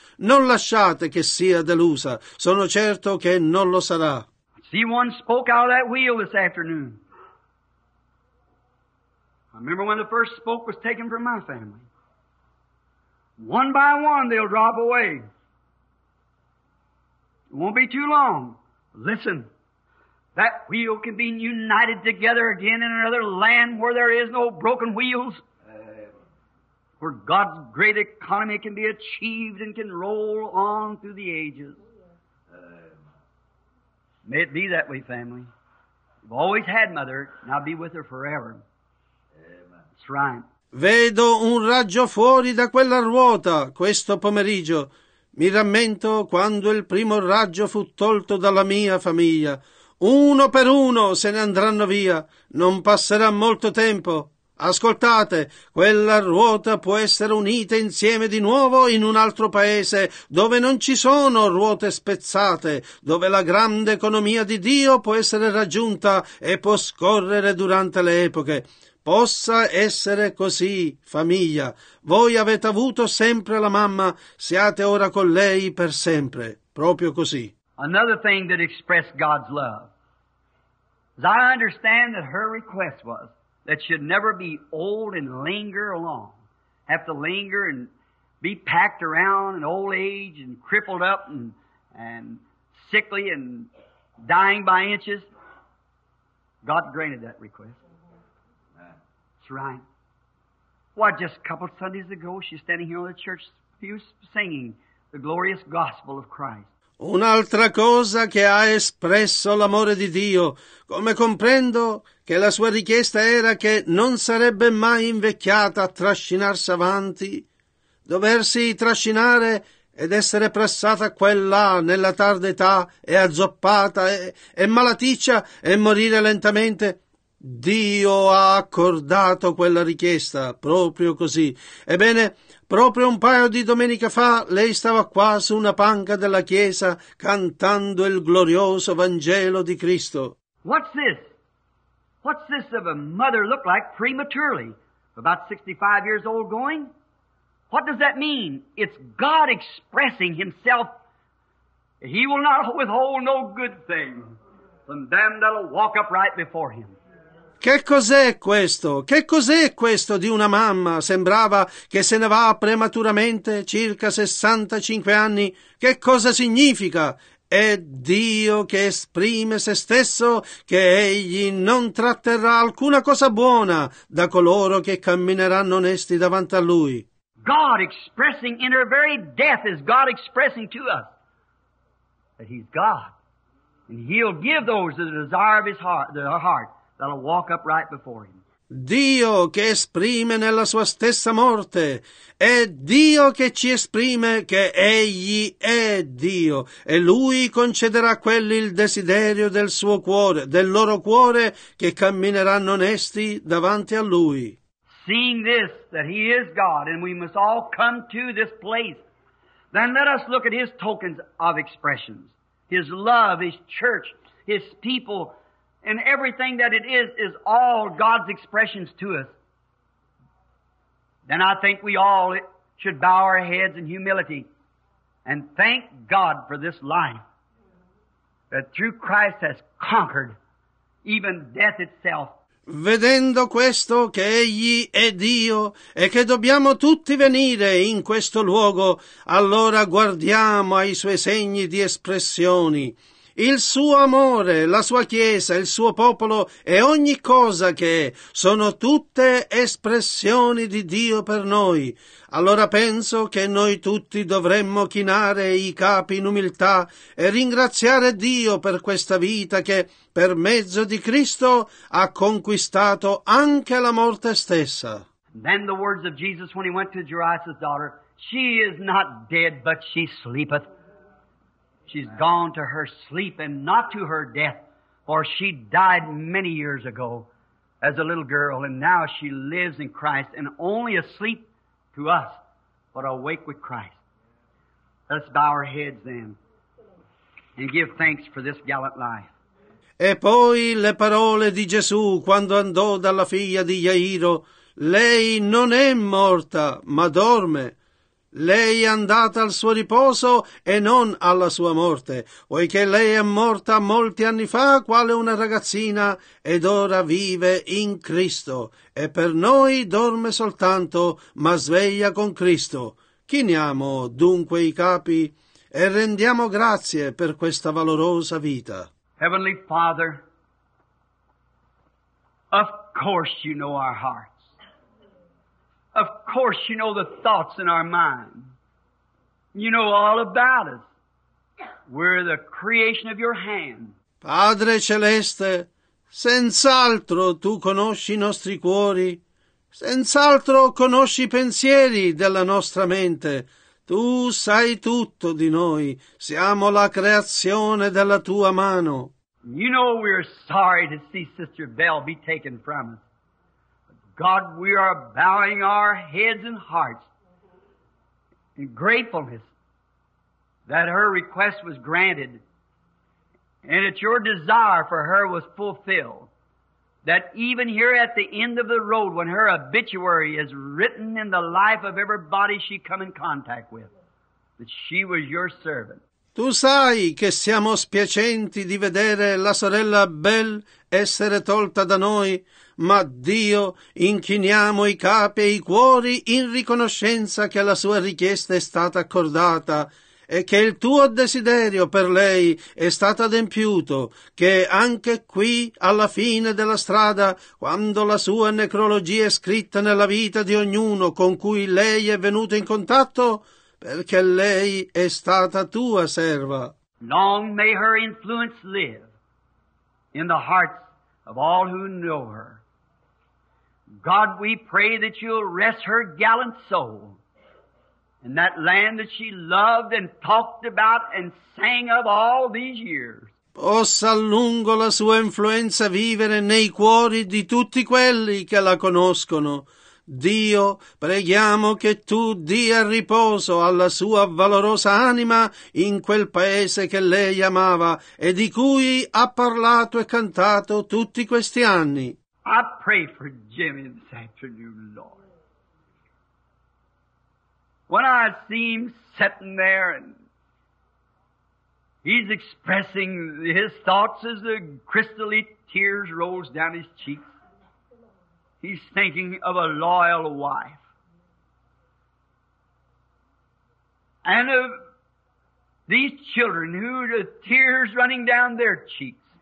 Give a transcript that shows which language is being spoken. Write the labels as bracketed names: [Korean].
[Italian] Non lasciate che sia delusa, sono certo che non lo sarà. [English] See, one spoke out of that wheel this afternoon. I remember when the first spoke was taken from my family. One by one, they'll drop away. It won't be too long. Listen, that wheel can be united together again in another land where there is no broken wheels, where God's great economy can be achieved and can roll on through the ages. May it be that way, family. We've always had mother, now be with her forever. [Italian] Vedo un raggio fuori da quella ruota questo pomeriggio. Mi rammento quando il primo raggio fu tolto dalla mia famiglia. Uno per uno se ne andranno via. Non passerà molto tempo. Ascoltate, quella ruota può essere unita insieme di nuovo in un altro paese, dove non ci sono ruote spezzate, dove la grande economia di Dio può essere raggiunta e può scorrere durante le epoche. Possa essere così, famiglia. Voi avete avuto sempre la mamma, siate ora con lei per sempre. Proprio così. [English] Another thing that expressed God's love. As I understand that her request was that she'd never be old and linger along. Have to linger and be packed around in old age and crippled up and sickly and dying by inches. God granted that request. That's right. Why, just a couple Sundays ago, she's standing here on the church pew singing the glorious gospel of Christ. [Italian] Un'altra cosa che ha espresso l'amore di Dio, come comprendo che la sua richiesta era che non sarebbe mai invecchiata a trascinarsi avanti, doversi trascinare ed essere pressata qua e là nella tarda età e azzoppata e malaticcia e morire lentamente. Dio ha accordato quella richiesta, proprio così. Ebbene, proprio un paio di domeniche fa, lei stava qua su una panca della chiesa cantando il glorioso Vangelo di Cristo. [English] What's this? What's this of a mother look like prematurely, about 65 years old going? What does that mean? It's God expressing himself. He will not withhold no good thing from them that'll walk upright before him. [Italian] Che cos'è questo? Che cos'è questo di una mamma? Sembrava che se ne va prematuramente, circa 65 anni. Che cosa significa? È Dio che esprime se stesso, che egli non tratterrà alcuna cosa buona da coloro che cammineranno onesti davanti a lui. [English] God expressing in her very death is God expressing to us that he's God. And he'll give those the desire of his heart, their heart. That'll walk upright before him. [Italian] Dio che esprime nella sua stessa morte, è Dio che ci esprime che egli è Dio, e lui concederà a quelli il desiderio del suo cuore, del loro cuore, che cammineranno onesti davanti a lui. [English] Seeing this, that he is God, and we must all come to this place, then let us look at his tokens of expressions, his love, his church, his people. And everything that it is all God's expressions to us. Then I think we all should bow our heads in humility and thank God for this life that through Christ has conquered even death itself. [Italian] Vedendo questo che egli è Dio e che dobbiamo tutti venire in questo luogo, allora guardiamo ai suoi segni di espressioni. Il suo amore, la sua chiesa, il suo popolo e ogni cosa che è, sono tutte espressioni di Dio per noi. Allora penso che noi tutti dovremmo chinare i capi in umiltà e ringraziare Dio per questa vita che, per mezzo di Cristo, ha conquistato anche la morte stessa. [English] Then the words of Jesus when he went to Jairus' daughter, she is not dead, but she sleepeth. She's gone to her sleep and not to her death, for she died many years ago as a little girl, and now she lives in Christ and only asleep to us, but awake with Christ. Let's bow our heads then and give thanks for this gallant life. [Italian] E poi le parole di Gesù quando andò dalla figlia di Jairo, lei non è morta, ma dorme. Lei è andata al suo riposo e non alla sua morte, poiché lei è morta molti anni fa, quale una ragazzina, ed ora vive in Cristo. E per noi dorme soltanto, ma sveglia con Cristo. Chiniamo dunque i capi e rendiamo grazie per questa valorosa vita. [English] Heavenly Father, of course you know our heart. Of course you know the thoughts in our mind. You know all about us. We're the creation of your hand. [Italian] Padre Celeste, senz'altro tu conosci i nostri cuori. Senz'altro conosci i pensieri della nostra mente. Tu sai tutto di noi. Siamo la creazione della tua mano. [English] You know we're sorry to see Sister Bell be taken from us. God, we are bowing our heads and hearts in gratefulness that her request was granted and that your desire for her was fulfilled, that even here at the end of the road, when her obituary is written in the life of everybody she come in contact with, that she was your servant. [Italian] Tu sai che siamo spiacenti di vedere la sorella Bell essere tolta da noi, ma Dio, inchiniamo i capi e i cuori in riconoscenza che la sua richiesta è stata accordata e che il tuo desiderio per lei è stato adempiuto, che anche qui, alla fine della strada, quando la sua necrologia è scritta nella vita di ognuno con cui lei è venuto in contatto, perché lei è stata tua serva. [English] Long may her influence live in the hearts of all who know her. God, we pray that you'll rest her gallant soul in that land that she loved and talked about and sang of all these years. [Italian] Possa a lungo la sua influenza vivere nei cuori di tutti quelli che la conoscono. Dio, preghiamo che tu dia riposo alla sua valorosa anima in quel paese che lei amava e di cui ha parlato e cantato tutti questi anni. [English] I pray for Jimmy this afternoon, Lord. When I see him sitting there and he's expressing his thoughts as the crystally tears rolls down his cheeks, he's thinking of a loyal wife and of these children who the tears running down their cheeks.